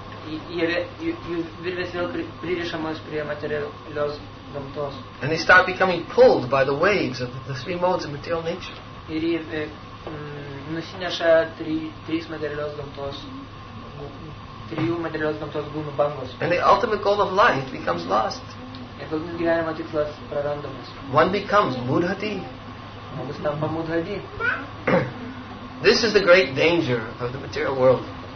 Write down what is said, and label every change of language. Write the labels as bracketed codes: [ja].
[lt] Jų virvės vėl pririšamos prie materialios gamtos. [en] And they start becoming pulled by the waves of the three modes of material nature. [lt] Ir jie nusineša trys materialios gamtos, trijų materialios gamtos gūnų bangos. [en] And the ultimate goal of life becomes lost. [lt] Ir galutinis gyvenimo tikslas prarandamas. [en] One becomes mudhati. [lt] Žmogus tampa mudhati. [en] This is the great danger of the material world.